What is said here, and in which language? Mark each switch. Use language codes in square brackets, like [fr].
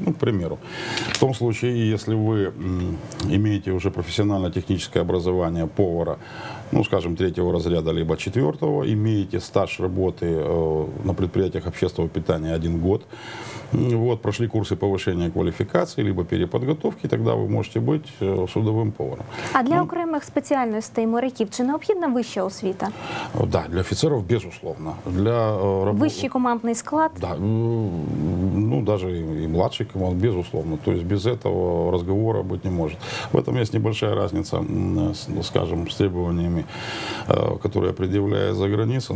[ru] Ну, к примеру, в том случае, если вы имеете уже профессионально-техническое образование повара, ну, скажем, третьего разряда, либо четвертого, имеете стаж работы на предприятиях общественного питания 1 год, вот, прошли курсы повышения квалификации, либо переподготовки, тогда вы можете быть судовым поваром. [uk] А для окремих спеціальностей моряків, чи необхідна вища освіта? [ru] Да, для офіцерів, безусловно. Для [uk] Вищий командний склад? [ru] Да, ну, даже и младший команд, безусловно. То есть без этого разговора быть не может. В этом есть небольшая разница, скажем, с требованиями, которые предъявляют за границей.